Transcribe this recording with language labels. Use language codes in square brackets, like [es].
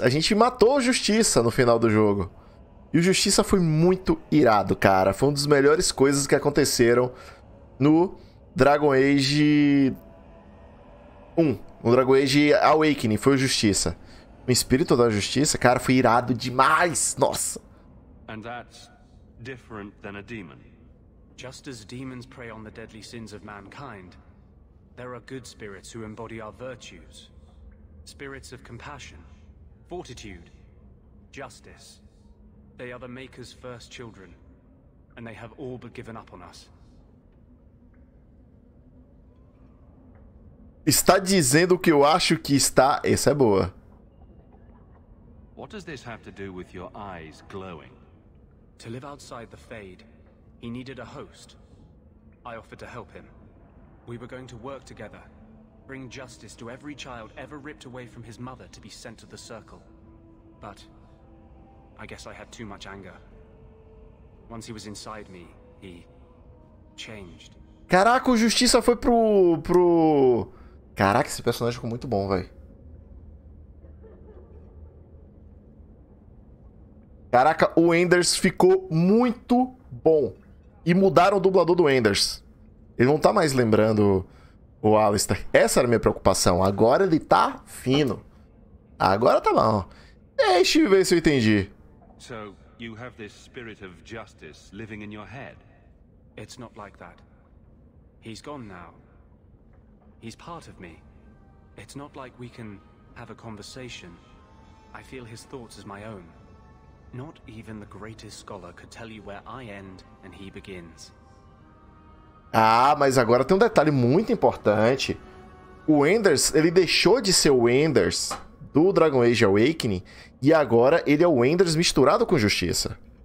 [pt] A gente matou o Justiça no final do jogo. E o Justiça foi muito irado, cara. Foi uma das melhores coisas que aconteceram no Dragon Age 1. No Dragon Age Awakening, foi o Justiça. O espírito da justiça, cara, foi irado demais. Nossa. [en] And that's different than a demon. Just as demons prey on the deadly sins of mankind, there are good spirits who embody our virtues. Spirits of compassion, fortitude, justice. They are the maker's first children, and they have all but given up on us. [pt] Está dizendo o que eu acho que está. Essa é boa. [en] What does this have to do with your eyes glowing? To live outside the Fade, he needed a host. I offered to help him. We were going to work together, bring justice to every child ever ripped away from his mother to be sent to the Circle. But I guess I had too much anger. Once he was inside me, he changed. [pt] Caraca, o Justiça foi pro... Caraca, esse personagem ficou muito bom, velho. Caraca, o Enders ficou muito bom. E mudaram o dublador do Enders. Ele não tá mais lembrando o Alistair. Essa era a minha preocupação. Agora ele tá fino. Agora tá bom. Deixa eu ver se eu entendi. [en] So, You have this spirit of justice living in your head. It's not like that. He's gone now. He's part of me. It's not like we can have a conversation. I feel his thoughts as my own. Not even the greatest scholar could tell you where I end and he begins. [pt] Ah, mas agora tem um detalhe muito importante. O Enders, ele deixou de ser o Enders do Dragon Age Awakening e agora ele é o Enders misturado com Justiça.